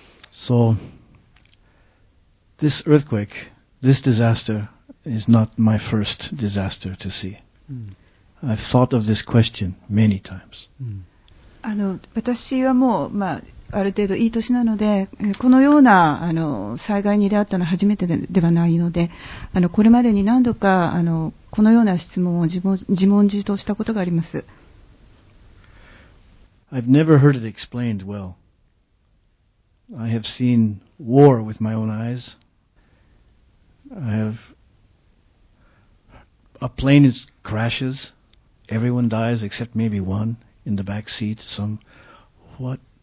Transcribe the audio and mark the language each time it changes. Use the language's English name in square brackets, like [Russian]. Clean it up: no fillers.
[English] So this earthquake, this disaster, is not my first disaster to see. I've thought of this question many times. [Japanese] 私はもう、ある程度いい年なので、このような災害に出会ったのは初めてではないので、これまでに何度かこのような質問を自問自答したことがあります。 [English] I've never heard it explained well. I have seen war with my own eyes. I have a plane that crashes. Everyone dies except maybe one in the back seat. Some what?